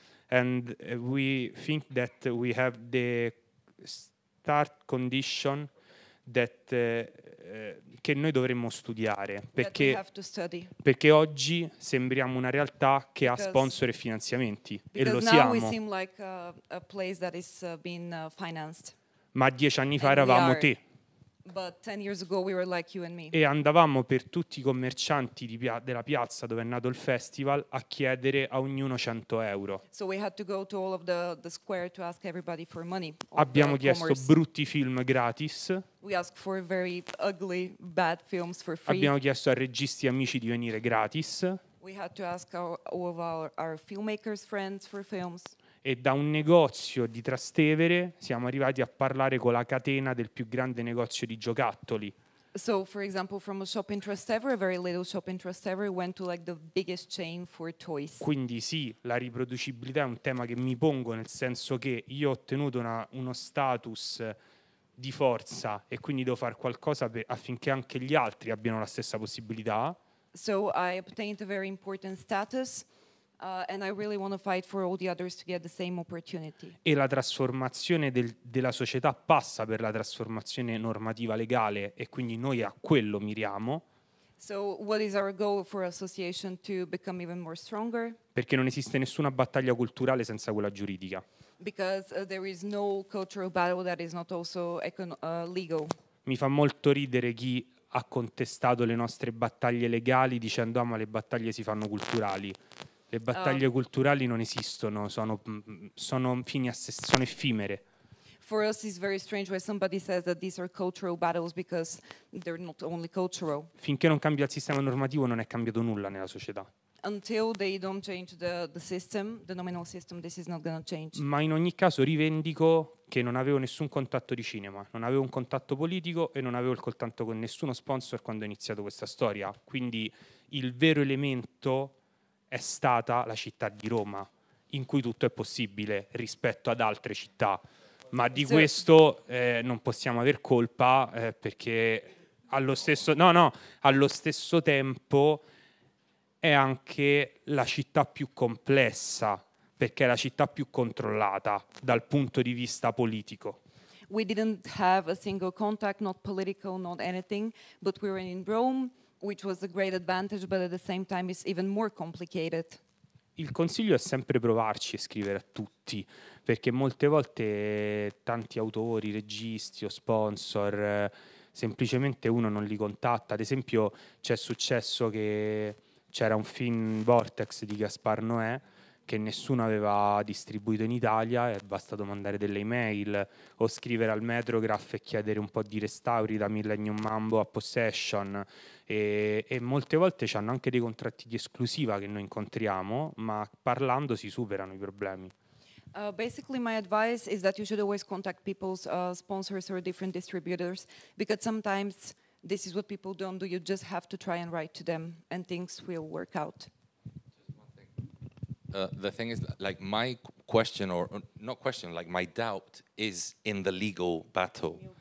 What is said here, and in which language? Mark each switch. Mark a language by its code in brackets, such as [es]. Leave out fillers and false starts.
[en] And we think that we have the start condition that [it] che noi dovremmo studiare, perché oggi sembriamo una realtà che ha sponsor e finanziamenti, e lo siamo. [en] Now we seem like a place that is being financed. [it] Ma 10 anni fa eravamo te. [en] But 10 years ago we were like you and me. [it] E andavamo per tutti i commercianti della piazza dove è nato il festival a chiedere a ognuno 100 euro. [en] So we had to go to all of the square to ask everybody for money. [it] Abbiamo chiesto brutti film gratis. [en] We asked for very ugly bad films for free. [it] Abbiamo chiesto a registi amici di venire gratis. [en] We had to ask all of our filmmakers friends for films. [it] E da un negozio di Trastevere siamo arrivati a parlare con la catena del più grande negozio di giocattoli. [en] So, for example, from a shop in Trastevere, a very little shop in Trastevere, went to like the biggest chain for toys. [it] Quindi sì, la riproducibilità è un tema che mi pongo, nel senso che io ho ottenuto uno status di forza e quindi devo fare qualcosa affinché anche gli altri abbiano la stessa possibilità. [en] So I obtained a very important status. And I really want to fight for all the others to get the same opportunity. [it] E la trasformazione della società passa per la trasformazione normativa legale, e quindi noi a quello miriamo. [en] So what is our goal for association to become even more stronger? [it] Perché non esiste nessuna battaglia culturale senza quella giuridica. [en] Because there is no cultural battle that is not also legal. [it] Mi fa molto ridere chi ha contestato le nostre battaglie legali dicendo ma le battaglie si fanno culturali. Le battaglie culturali non esistono, sono fini a sé, sono effimere. [en] For us it's very strange when somebody says that these are cultural battles because they're not only cultural. [it] Finché non cambia il sistema normativo non è cambiato nulla nella società. [en] Until they don't change the system, the nominal system, this is not going to change. [it] Ma in ogni caso rivendico che non avevo nessun contatto di cinema, non avevo un contatto politico e non avevo il contatto con nessuno sponsor quando ho iniziato questa storia. Quindi il vero elemento è stata la città di Roma, in cui tutto è possibile rispetto ad altre città. Ma di questo non possiamo aver colpa, perché allo stesso tempo è anche la città più complessa, perché è la città più controllata dal punto di vista politico. [en] We didn't have a single contact, not political, not anything, but we were in Rome, which was a great advantage, but at the same time it's even more complicated. [it] Il consiglio è sempre provarci e scrivere a tutti, perché molte volte tanti autori, registi o sponsor, semplicemente uno non li contatta. Ad esempio c'è successo che c'era un film Vortex di Gaspar Noé che nessuno aveva distribuito in Italia, è bastato mandare delle email o scrivere al Metrograph e chiedere un po' di restauri da Millennium Mambo a Possession. E molte volte ci hanno anche dei contratti di esclusiva che noi incontriamo, ma parlando si superano i problemi. [en] Basically my advice is that you should always contact people's sponsors or different distributors, because sometimes this is what people don't do, you just have to try and write to them and things will work out. The thing is, like, my question, or not question, like, my doubt is in the legal battle.